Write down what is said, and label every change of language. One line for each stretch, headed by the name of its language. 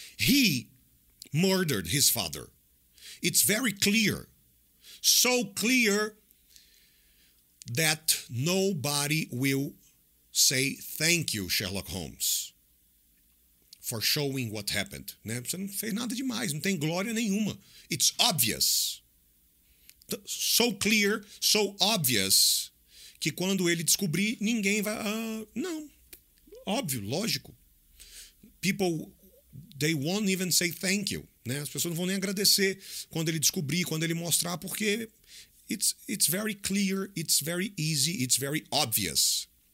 English: He murdered his father. It's very clear. So clear that nobody will say thank you, Sherlock Holmes, for showing what happened.
Portuguese: Né? Você não fez nada demais, não tem glória nenhuma.
English: It's obvious. So clear, so obvious,
Portuguese: que quando ele descobrir, ninguém vai... Não, óbvio, lógico.
English: People, they won't even say thank you.
Portuguese: Né? As pessoas não vão nem agradecer quando ele descobrir, quando ele mostrar, porque...
English: It's very clear, it's very easy, it's very obvious.